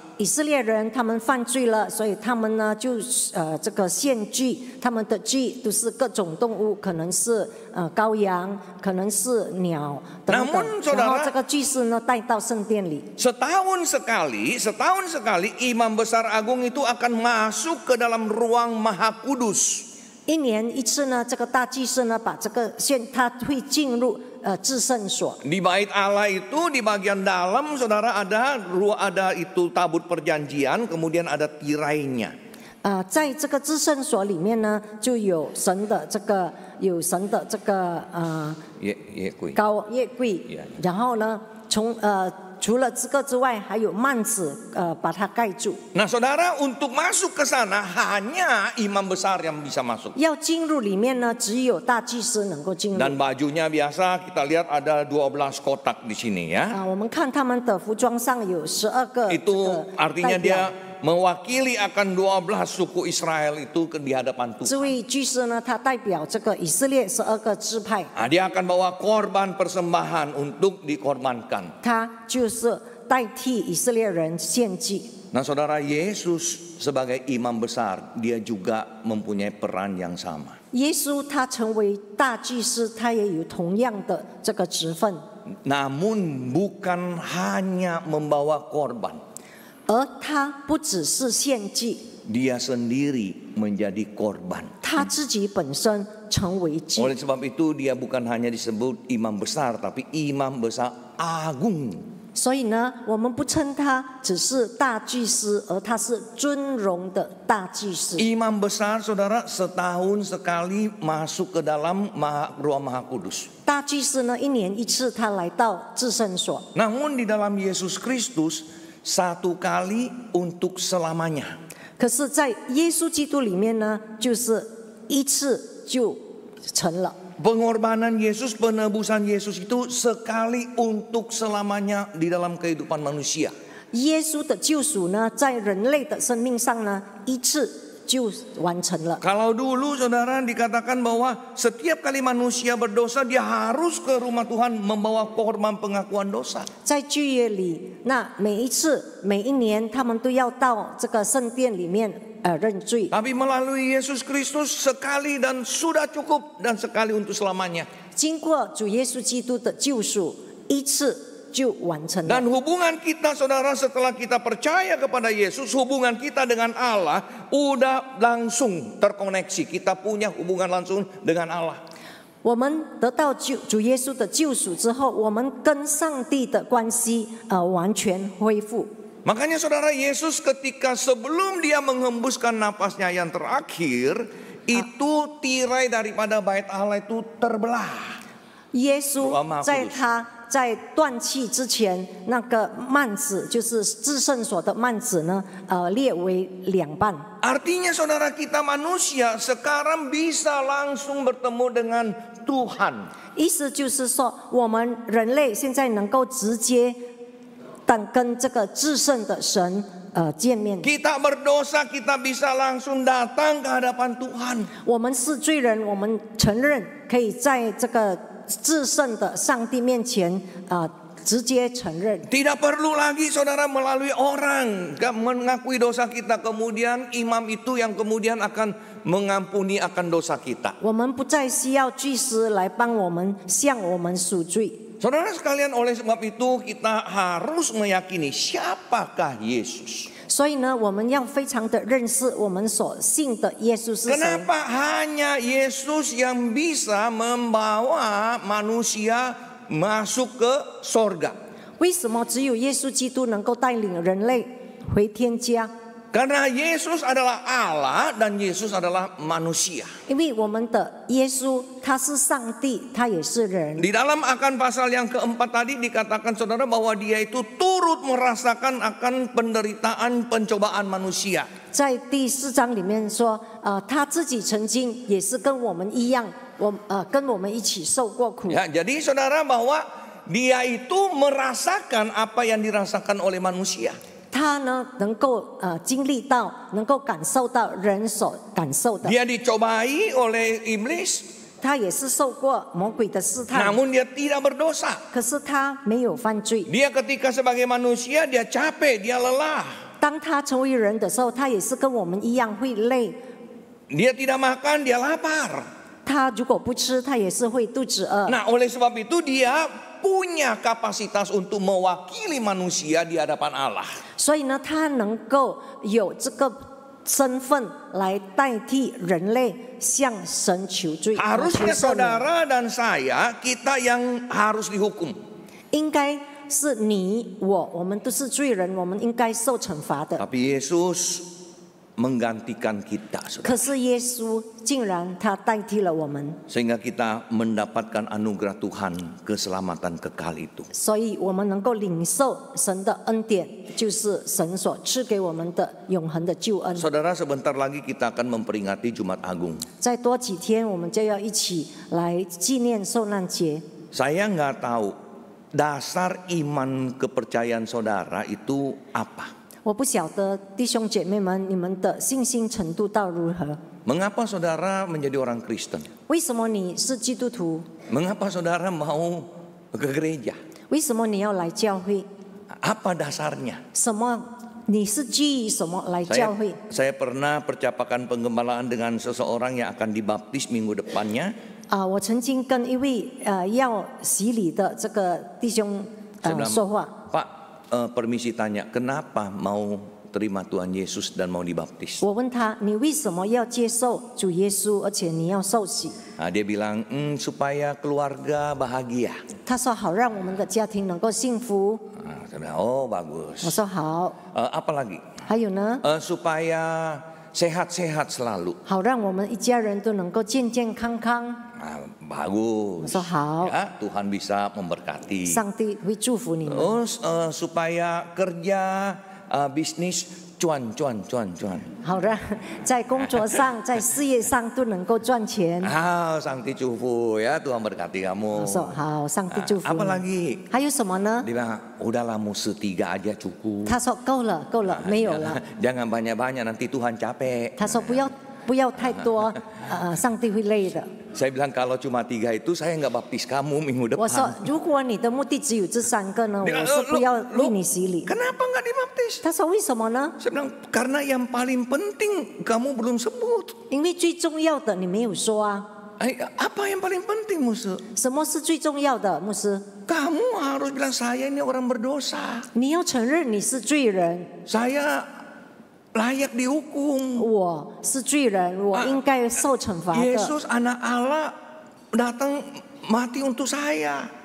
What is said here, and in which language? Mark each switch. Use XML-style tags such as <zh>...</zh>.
<zh>以色列人他们犯罪了，所以他们呢就这个献祭，他们的祭都是各种动物，可能是羔羊，可能是鸟等等。</zh> <id>Namun, saudara,</id> <zh>然后这个祭司呢带到圣殿里。</zh> <id>Setahun sekali, imam besar agung itu akan masuk ke dalam ruang maha kudus.</id> <zh>一年一次呢，这个大祭司呢把这个献，他会进入至圣所。</zh> <id>Di bait Allah itu di bagian dalam, saudara, ada itu tabut perjanjian, kemudian ada tirainya.</id> <zh>在这个至圣所里面呢，就有神的这个。有神的这个耶柜 yeah. 然后呢从除了这个之外还有幔子把它盖住。</zh> <id>Nah, saudara, untuk masuk ke sana hanya imam besar yang bisa masuk.</id> <zh>要进入里面呢只有大祭司能够进入。</zh> <id>Dan bajunya biasa kita lihat ada 12 kotak di sini ya.</id> <zh>我们看他们的服装上有12个。</zh> <id>Itu artinya dia mewakili akan 12 suku Israel itu di hadapan Tuhan.</id> <zh>这位祭司呢，他代表这个以色列十二个支派。</zh> <id>Nah, dia akan bawa korban persembahan untuk dikorbankan.</id> <zh>他就是代替以色列人献祭。</zh> <id>Nah, saudara, Yesus sebagai imam besar, dia juga mempunyai peran yang sama.</id> <zh>耶稣他成为大祭司，他也有同样的这个职分。</zh> <id>Namun bukan hanya membawa korban.</id> <zh>而他不只是献祭，</zh> <id>dia sendiri menjadi korban.</id> <zh>他自己本身成为祭。</zh> <id>Oleh sebab itu dia bukan hanya disebut imam besar, tapi imam besar agung.</id> <zh>所以呢，我们不称他只是大祭司，而他是尊荣的大祭司。</zh> <id>Imam besar, saudara, setahun sekali masuk ke dalam ruang maha kudus.</id> <zh>大祭司呢，一年一次他来到至圣所。</zh> <id>Namun di dalam Yesus Kristus, satu kali untuk selamanya.</id> <zh>可是在耶稣基督里面呢，就是一次就成了。</zh> <id>Pengorbanan Yesus, penebusan Yesus itu sekali untuk selamanya di dalam kehidupan manusia.</id> <zh>Yesus 的救赎呢，在人类的生命上呢，一次就完成了。</zh> <id>Kalau dulu, saudara, dikatakan bahwa setiap kali manusia berdosa, dia harus ke rumah Tuhan membawa korban pengakuan dosa.</id> <zh>在旧约里，那每一次、每一年，他们都要到这个圣殿里面。</zh> <id>Tapi melalui Yesus Kristus sekali dan sudah cukup dan sekali untuk selamanya.</id> <zh>经过主耶稣基督的救赎，一次就完成了。</zh> <id>Dan hubungan kita, saudara, setelah kita percaya kepada Yesus, hubungan kita dengan Allah udah langsung terkoneksi. Kita punya hubungan langsung dengan Allah.</id> <zh>我们得到主耶稣的救赎之后，我们跟上帝的关系完全恢复。</zh> <id>Makanya saudara, Yesus ketika sebelum dia menghembuskan napasnya yang terakhir, itu tirai daripada bait Allah itu terbelah.</id> <zh>Yesus 在他在断气之前，那个幔子就是至圣所的幔子呢，裂为两半。</zh> <id>Artinya saudara, kita manusia sekarang bisa langsung bertemu dengan Tuhan.</id> <zh>意思就是说，我们人类现在能够直接但跟这个至圣的神见面。</zh> <id>Kita berdosa, kita bisa langsung datang ke hadapan Tuhan.</id> <zh>我们是罪人，我们承认可以在这个至圣的上帝面前直接承认。</zh> <id>Tidak perlu lagi, saudara, melalui orang mengakui dosa kita, kemudian imam itu yang kemudian akan mengampuni akan dosa kita.</id> <zh>我们不再需要祭司来帮我们向我们赎罪。</zh> <id>Saudara sekalian, oleh sebab itu kita harus meyakini siapakah Yesus.</id> <zh>所以呢，我们要非常的认识我们所信的耶稣是谁。</zh> <id>Kenapa hanya Yesus yang bisa membawa manusia masuk ke sorga?</id> <zh>为什么只有耶稣基督能够带领人类回天家？</zh> <id>Karena Yesus adalah Allah dan Yesus adalah manusia.</id> <zh>因为我们的耶稣他是上帝，他也是人。</zh> <id>Di dalam akan pasal yang keempat tadi dikatakan saudara bahwa dia itu turut merasakan akan penderitaan pencobaan manusia.</id> <zh>在第四章里面说，他自己曾经也是跟我们一样，跟我们一起受过苦。</zh> <id>Ya, jadi saudara bahwa dia itu merasakan apa yang dirasakan oleh manusia.</id> <zh>他呢能够经历到，能够感受到人所感受的。</zh> <id>Dia dicobai oleh iblis.</id> <zh>他也是受过魔鬼的试探。</zh> <id>Namun dia tidak berdosa.</id> <zh>可是他没有犯罪。</zh> <id>Dia ketika sebagai manusia dia capek, dia lelah.</id> <zh>当他成为人的时候，他也是跟我们一样会累。</zh> <id>Dia tidak makan, dia lapar.</id> <zh>他如果不吃，他也是会肚子饿。</zh> <id>Nah, oleh sebab itu dia punya kapasitas untuk mewakili manusia di hadapan Allah.</id> <zh>所以呢，他能够有这个身份来代替人类向神求罪。</zh> <id>Harusnya saudara dan saya, kita yang harus dihukum.</id> <zh>应该是你我，我们都是罪人，我们应该受惩罚的。</zh> <id>Tapi Yesus menggantikan kita.</id> <zh>可是耶稣竟然他代替了我们。</zh> <id>Sehingga kita mendapatkan anugerah Tuhan, keselamatan kekal itu.</id> <zh>所以我们能够领受神的恩典，就是神所赐给我们的永恒的救恩。</zh> <id>Saudara, sebentar lagi kita akan memperingati Jumat Agung.</id> <zh>再多几天我们就要一起来纪念受难节。</zh> <id>Saya enggak tahu dasar iman kepercayaan saudara itu apa.</id> <zh>我不晓得弟兄姐妹们，你们的信心程度到如何？</zh> <id>Mengapa saudara menjadi orang Kristen?</id> <zh>为什么你是基督徒？</zh> <id>Mengapa saudara mau ke gereja?</id> <zh>为什么你要来教会？</zh> <id>Apa dasarnya?</id> <zh>什么？你是基于什么来教会？</zh> <id>Saya pernah percakapan penggembalaan dengan seseorang yang akan dibaptis minggu depannya.</id> <zh>我曾经跟一位要洗礼的这个弟兄说话。</zh> <id>Permisi tanya, kenapa mau terima Tuhan Yesus dan mau dibaptis.</id> <zh>我问他, 你为什么要接受主耶稣, 而且你要受洗?</zh> <id>Nah, dia bilang, supaya keluarga bahagia.</id> <zh>他说, 好让我们的家庭能够幸福.</zh> <id>Nah, oh, bagus.</id> <zh>我说好.</zh> <id>Apalagi?</id> <zh>还有呢?</zh> <id>Supaya sehat-sehat selalu.</id> <zh>好让我们一家人都能够健健康康.</zh> <id>Nah, bagus.</id> <zh>我说好.</zh> <id>Ya, Tuhan bisa memberkati.</id> <zh>上帝会祝福你们.</zh> <id>Terus, supaya kerja bisnis cuan.</id> <zh>好的，在工作上，在事业上都能够赚钱。好， Sangti cufu</zh> <id>ya, Tuhan berkati kamu.</id> <zh>好， Sangti cufu.</zh> <id>Apalagi?</id> <zh>还有什么呢？</zh> <id>Dia bilang, udahlah musuh tiga aja cukup.</id> <zh>他说够了，够了，没有了。</zh> <id>Jangan banyak-banyak, nanti Tuhan capek.</id> <zh>他说不要太多， Sangti会 累的。</zh> <id>Saya bilang kalau cuma tiga itu saya enggak baptis kamu minggu depan.</id> <zh>我说，如果你的目的只有这三个呢，我是不要为你洗礼。</zh> <id>Kenapa enggak dibaptis?</id> <zh>他说为什么呢？</zh> <id>Saya bilang karena yang paling penting kamu belum sebut.</id> <zh>因为最重要的你没有说啊。</zh> <id>Apa yang paling penting, Musa?</id> <zh>什么是最重要的, Musa?</zh> <id>Kamu harus bilang saya ini orang berdosa.</id> <zh>你要承认你是罪人。</zh> <id>Saya layak dihukum.</id> <zh>我是罪人，我应该受惩罚。</zh> <id>Yesus anak Allah datang mati untuk saya.</id>